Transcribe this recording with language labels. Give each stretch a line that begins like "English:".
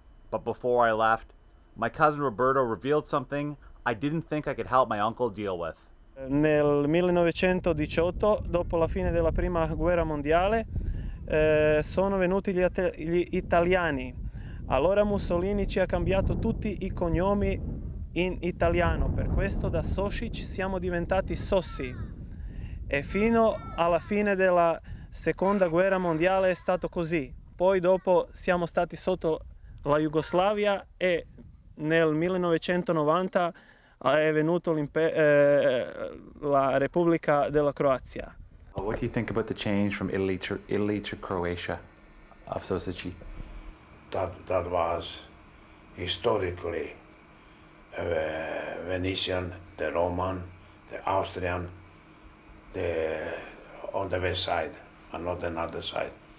English: But before I left, my cousin Roberto revealed something I didn't think I could help my uncle deal with.
Italian: Nel 1918, dopo la fine della prima guerra mondiale, sono venuti gli italiani. Allora Mussolini ci ha cambiato tutti i cognomi in italiano. Per questo da Sossi ci siamo diventati Sossi. E fino alla fine della Seconda Guerra Mondiale è stato così. Poi dopo siamo stati sotto la Jugoslavia e nel 1990 è venuto la Repubblica della Croazia.
English: What do you think about the change from Italy to Croatia of Sossi? That was historically Venetian, the Roman, the Austrian, the on the west side and not the other side.